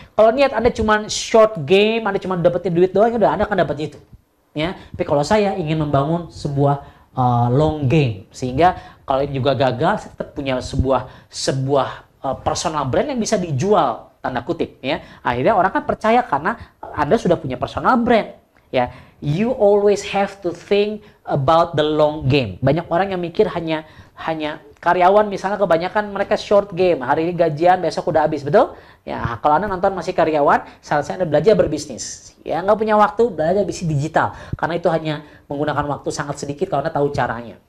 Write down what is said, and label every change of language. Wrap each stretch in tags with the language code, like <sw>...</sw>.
<id>Kalau niat Anda cuma short game, Anda cuma dapetin duit doang, ya udah Anda akan dapat itu. Ya. Tapi kalau saya ingin membangun sebuah long game, sehingga kalau ini juga gagal, saya tetap punya sebuah personal brand yang bisa dijual, tanda kutip. Ya. Akhirnya orang kan percaya karena Anda sudah punya personal brand. Ya.</id> <en>You always have to think about the long game.</en> <id>Banyak orang yang mikir hanya karyawan misalnya, kebanyakan mereka short game. Hari ini gajian, besok udah habis, betul? Ya, kalau Anda nonton masih karyawan, seharusnya Anda belajar berbisnis. Ya, nggak punya waktu, belajar bisnis digital. Karena itu hanya menggunakan waktu sangat sedikit kalau Anda tahu caranya.</id>